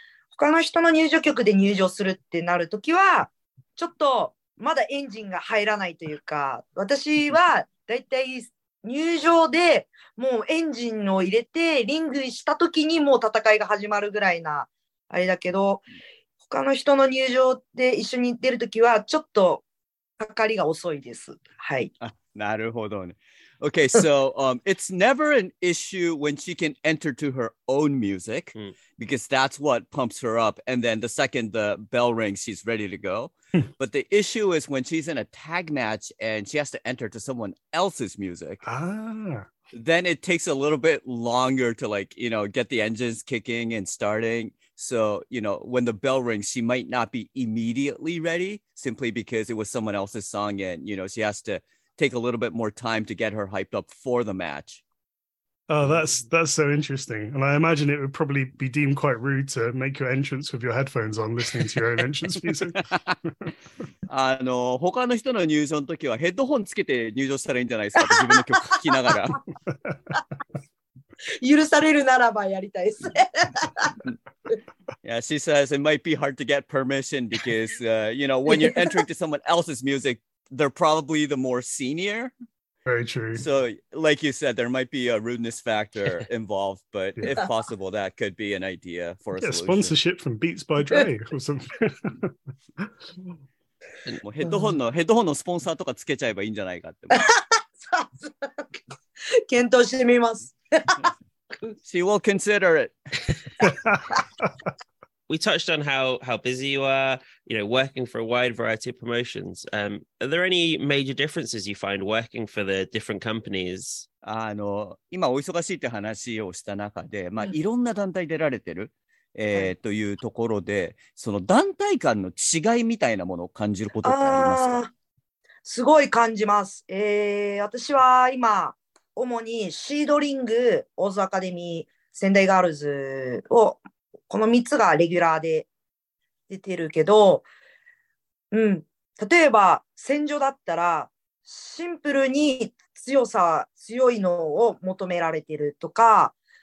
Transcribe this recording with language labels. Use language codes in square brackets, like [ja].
[ja] 他の人の入場曲で入場するってなるときは、ちょっと、まだエンジンが入らないというか、私はだいたい入場でもうエンジンを入れてリングしたときにもう戦いが始まるぐらいなあれだけど、他の人の入場で一緒に出るときはちょっとかかりが遅いです。はい。なるほどね。 [en] Okay, so it's never an issue when she can enter to her own music, because that's what pumps her up. And then the second the bell rings, she's ready to go. But the issue is when she's in a tag match and she has to enter to someone else's music. Ah. Then it takes a little bit longer to, like, you know, get the engines kicking and starting. So, you know, when the bell rings, she might not be immediately ready simply because it was someone else's song and, you know, she has to take a little bit more time to get her hyped up for the match. Oh, that's so interesting. And I imagine it would probably be deemed quite rude to make your entrance with your headphones on listening to your own entrance music. [ja] あの、他の人の入場の時はヘッドホンつけて入場したらいいんじゃないですか、自分の曲聴きながら。許されるならばやりたいですね。 [en] Yeah, she says it might be hard to get permission because, you know, when you're entering to someone else's music,they're probably the more senior. Very true. So, like you said, there might be a rudeness factor involved, but yeah. If possible, that could be an idea for a solution. Sponsorship from Beats by Dre or something. [ja] もうヘッドホンのスポンサーとかつけちゃえばいいんじゃないかって。検討してみます。 [en] She will consider it. We touched on how busy you are, you know, working for a wide variety of promotions. Are there any major differences you find working for the different companies? [ja] あの、今お忙しいって話をした中で、まあ、いろんな団体出られてる、というところで、その団体間の違いみたいなものを感じることってありますか？すごい感じます。私は今、主にシードリング、オーズアカデミー、仙台ガールズをこの3つがレギュラーで出てるけど、うん、例えば戦場だったらシンプルに強さ、強いのを求められてるとか、